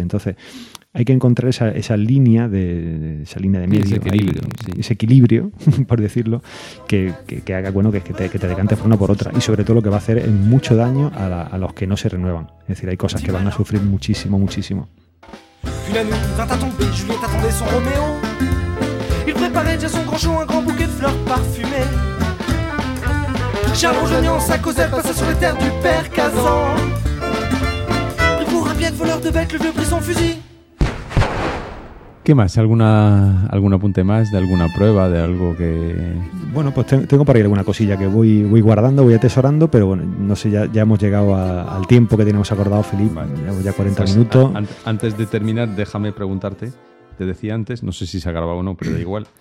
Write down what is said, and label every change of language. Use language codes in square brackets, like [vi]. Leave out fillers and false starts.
[es] Entonces, hay que encontrar esa línea de medio, ese equilibrio, por decirlo, que haga bueno que te decantes por una por otra. Y sobre todo lo que va a hacer es mucho daño a los que no se renuevan. Es decir, hay cosas que van a sufrir muchísimo, muchísimo. [fr] Il préparait déjà son grand show, un grand bouquet de fleurs parfumées. Charles Rogénian, sa causère, passa sur les terres du père Kazan. Pris pour un piètre voleur de bêtes, le vieux prit son fusil. [es] ¿Qué más? ¿Algún apunte más de alguna prueba, de algo que...? Bueno, pues tengo por ahí alguna cosilla que voy guardando, voy atesorando, pero bueno, no sé, ya hemos llegado al tiempo que teníamos acordado, Felipe. Vale. Llevamos ya 40 minutos. Antes de terminar, déjame preguntarte. Te decía antes, no sé si se ha grabado o no, pero da igual.